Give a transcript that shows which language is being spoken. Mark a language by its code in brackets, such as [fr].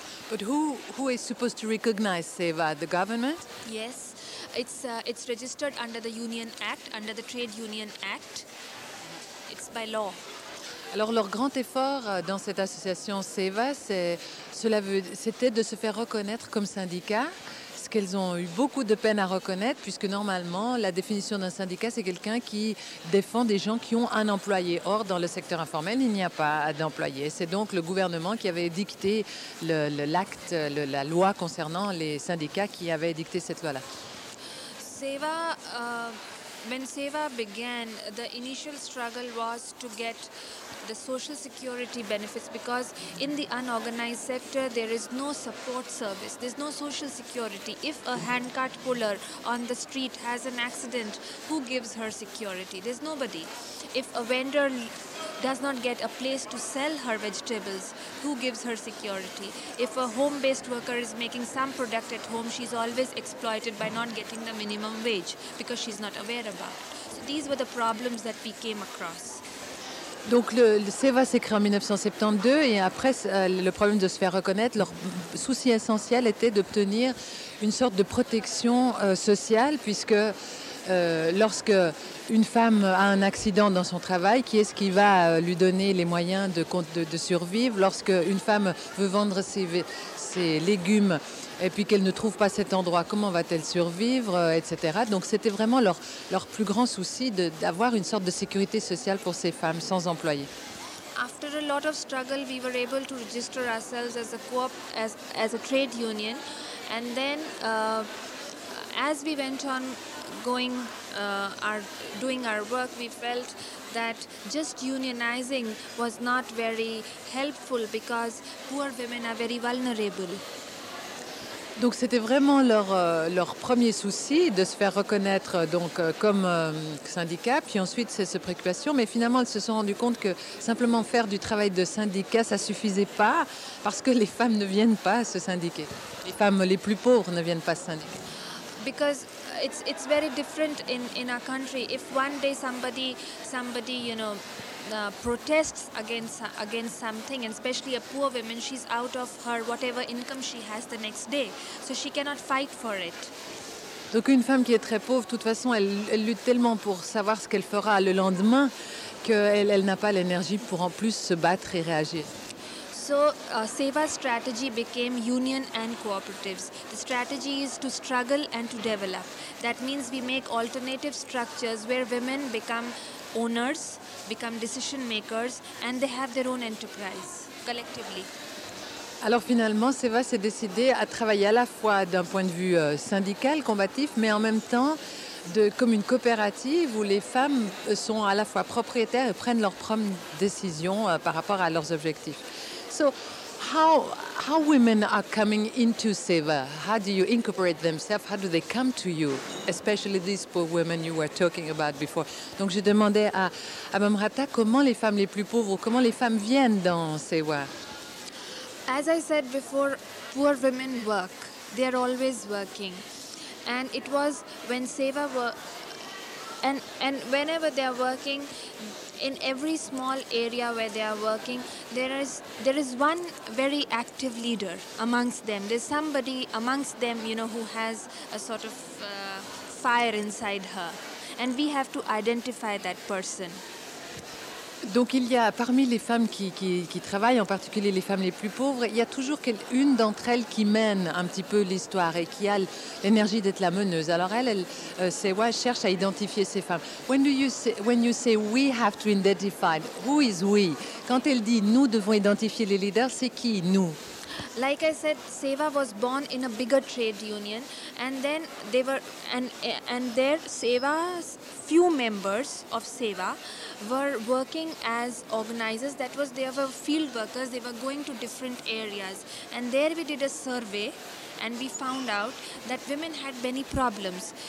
[en] But who is supposed to recognize SEWA? The government? Yes, it's registered under the Union Act, under the Trade Union Act. It's by law. [fr] Alors leur grand effort dans cette association SEWA, c'était de se faire reconnaître comme syndicat, ce qu'elles ont eu beaucoup de peine à reconnaître, puisque normalement la définition d'un syndicat, c'est quelqu'un qui défend des gens qui ont un employé. Or, dans le secteur informel, il n'y a pas d'employé. C'est donc le gouvernement qui avait dicté la loi concernant les syndicats qui avait dicté cette loi-là. [en] SEWA, when SEWA began, the initial struggle was to get the social security benefits because in the unorganized sector there is no support service, there's no social security. If a handcart puller on the street has an accident, who gives her security? There's nobody. If a vendor does not get a place to sell her vegetables, who gives her security? If a home-based worker is making some product at home, she's always exploited by not getting the minimum wage because she's not aware about it. So these were the problems that we came across. [fr] Donc le SEWA s'est créé en 1972 et après le problème de se faire reconnaître, leur souci essentiel était d'obtenir une sorte de protection sociale puisque lorsque une femme a un accident dans son travail, qui est-ce qui va lui donner les moyens de survivre? Lorsque une femme veut vendre ses légumes et puis qu'elle ne trouve pas cet endroit, comment va-t-elle survivre, etc. Donc c'était vraiment leur plus grand souci d'avoir une sorte de sécurité sociale pour ces femmes sans employés. [en] After a lot of struggle, we were able to register ourselves as a co-op, as a trade union. And then, as we went on going are doing our work, we felt that just unionizing was not very helpful because poor women are very vulnerable. [fr] Donc c'était vraiment leur premier souci de se faire reconnaître donc comme syndicat, puis ensuite c'est cette préoccupation, mais finalement elles se sont rendues compte que simplement faire du travail de syndicat ça suffisait pas parce que les femmes ne viennent pas se syndiquer. Les femmes les plus pauvres ne viennent pas se syndiquer. [en] Because it's very different in our country. If one day somebody you know protests against something, and especially a poor woman, she's out of her whatever income she has the next day, so she cannot fight for it. [fr] Donc une femme qui est très pauvre, de toute façon, elle lutte tellement pour savoir ce qu'elle fera le lendemain qu'elle n'a pas l'énergie pour en plus se battre et réagir. [en] So Seva's strategy became union and cooperatives. The strategy is to struggle and to develop. That means we make alternative structures where women become owners, become decision makers, and they have their own enterprise collectively. [fr] Alors finalement, Seva s'est décidé à travailler à la fois d'un point de vue syndical, combatif, mais en même temps comme une coopérative où les femmes sont à la fois propriétaires et prennent leurs propres décisions par rapport à leurs objectifs. [en] So how women are coming into Seva? How do you incorporate themselves? How do they come to you, especially these poor women you were talking about before? [fr] Donc je demandais à Mamrata comment les femmes les plus pauvres, comment les femmes viennent dans Seva. [en] As I said before, poor women work. They are always working. And it was when Seva and whenever they are working, in every small area where they are working, there is one very active leader amongst them. There's somebody amongst them, you know, who has a sort of fire inside her. And we have to identify that person. [fr] Donc il y a parmi les femmes qui travaillent, en particulier les femmes les plus pauvres, il y a toujours une d'entre elles qui mène un petit peu l'histoire et qui a l'énergie d'être la meneuse. Alors elle cherche à identifier ces femmes. [en] When you say we have to identify, who is we? [fr] Quand elle dit nous devons identifier les leaders, c'est qui nous? [en] Like I said, Seva was born in a bigger trade union, and then they were and there Seva's few members of Seva were working as organizers. That was, they were field workers. They were going to different areas, and there we did a survey, and we found out that women had many problems.